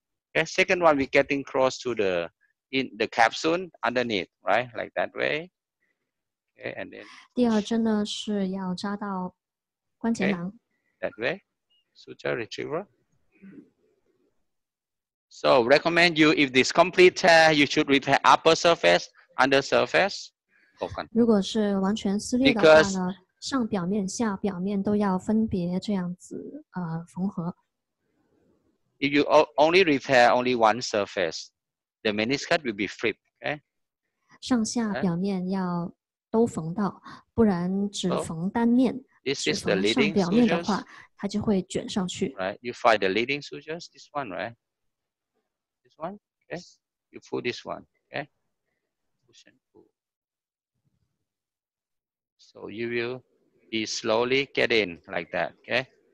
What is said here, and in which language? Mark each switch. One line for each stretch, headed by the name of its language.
English: Okay, second one, we're getting cross to the. In the capsule underneath, right? Like that way. Okay, and then.
Chinese: 第二针呢是要扎到关节囊。
English: That way. Suture retriever. So, recommend you if this complete tear, you should repair upper surface, under surface. Open.
Chinese: 如果是完全撕裂的话呢，上表面、下表面都要分别这样子缝合。
English: If you only repair only one surface. The meniscus will be flipped, okay?
Chinese: 上下表面要都缝到，不然只缝单面。
English: This is the leading sutures.
Chinese: 它就会卷上去。
English: Right, you find the leading sutures, this one, right? This one, okay? You pull this one. Okay. So you will be slowly get in like that. Okay.